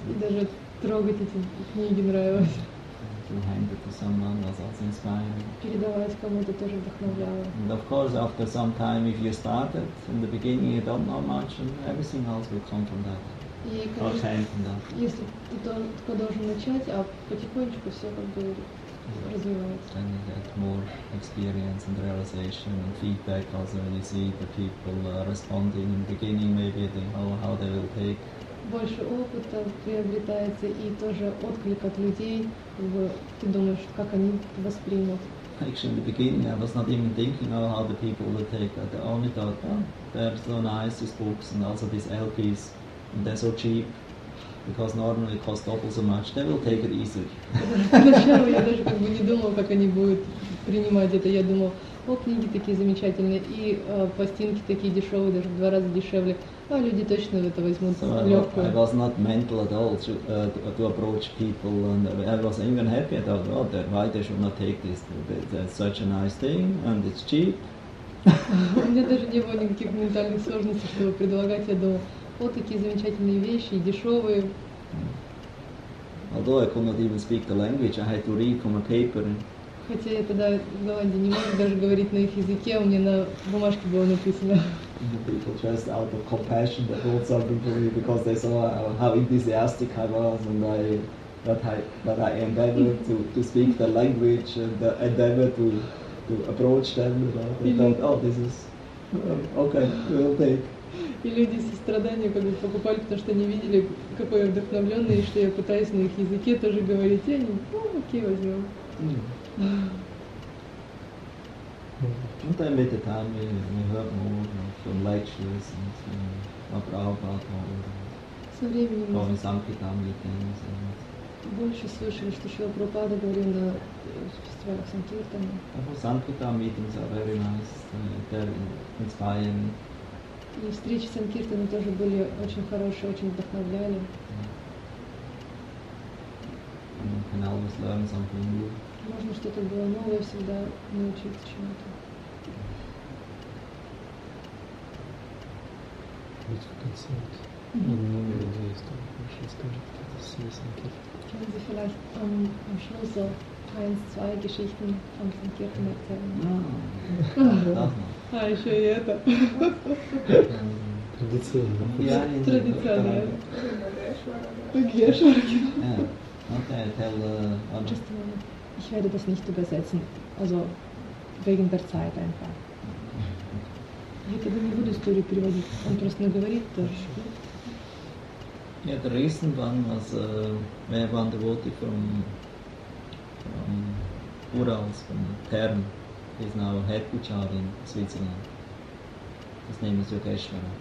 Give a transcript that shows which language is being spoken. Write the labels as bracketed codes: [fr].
[ru] И даже трогать эти книги нравилось. [en] To hand it to someone was also inspiring. [ru] Передавать кому-то тоже вдохновляло. [en] And of course, after some time, if you started in the beginning, you don't know much, and everything else will come from that. [ru] И, конечно, если ты только должен начать, а потихонечку все как бы развивается. [en] Then you get more experience and realization and feedback also when you see the people responding in the beginning, maybe they know how they will take. [ru] Больше опыта приобретается и тоже отклик от людей, как бы ты думаешь, как они воспримут. [en] Actually, in the beginning, I was not even thinking of how the people would take that. I only thought, oh, they're so nice, these books, and also these LPs, and they're so cheap, because normally it costs double so much. They will take it easily. [ru] Сначала я даже как бы не думал, как они будут принимать это. Я думал, о, книги такие замечательные, и пластинки такие дешевые, даже в два раза дешевле. А люди точно это возьмут [en] so [ru] легкую. [en] I was not mental at all to approach people, and I was even happy about, oh, that. Why they should not take this? It's such a nice thing, and it's cheap. [ru] У меня даже не было никаких ментальных сложностей, чтобы предлагать. Я думал, вот такие замечательные вещи, дешевые. [en] Although I could not even speak the language, I had to read from a paper. [ru] Хотя я тогда в Голландии не мог даже говорить на их языке, у меня на бумажке было написано. [en] People just out of compassion that told something to me because they saw how enthusiastic I was and that I endeavored to speak the language and endeavored to approach them, you know, they thought, oh, this is Okay, we'll take. [ru] И люди со страданием как бы покупали, потому что не видели, какой я вдохновленный, и что я пытаюсь на их языке тоже говорить, и они, ну, окей, возьмем. [en] Sometimes at the time we heard more from lectures and from Prabhupada or from Sankirtanas. [ru] Больше слышали, что Шрила Прабхупада говорил на фестивалях Санкиртана. [en] Sankirtan meetings are very nice, they're inspiring. [ru] И встречи с Санкиртаном тоже были очень хорошие, очень вдохновляли. [en] You can always learn something new. [ru] Можно что-то было новое всегда научиться чему-то. Будет концерт. Mm-hmm. Я надеюсь, что он еще скажет какие-то свои Санкиртаны. [de] Können Sie vielleicht am Schluss so eins, zwei Geschichten von Санкиртаны erzählen? [ru] А, еще и это. Традиционно. Традиционно. [en] Гешварги. Okay, tell one. Just a moment. [de] Ich werde das nicht übersetzen, also wegen der Zeit einfach. [ru] Я тогда не буду историю переводить, он просто не говорит тоже. [en] Yeah, the recent one was we have one devotee from Urals, from Therm. He's now head puchar in Switzerland. His name is Yogeshwara.